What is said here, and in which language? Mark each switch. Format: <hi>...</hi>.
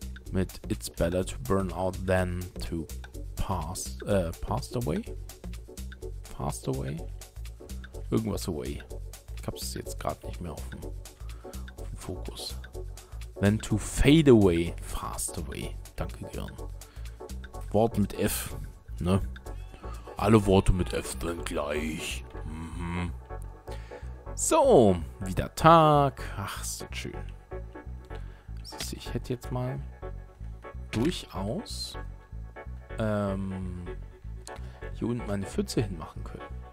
<en>Mit It's better to burn out than to pass away?</en> <de>Irgendwas away. Ich habe es jetzt gerade nicht mehr auf dem Fokus.</de> <en>Than to fade away, fast away.</en> <de>Danke, Gern. Wort mit F, ne? Alle Worte mit F sind gleich. So, wieder Tag. Ach, so schön. Ich hätte jetzt mal durchaus hier unten meine Pfütze hinmachen können.</de>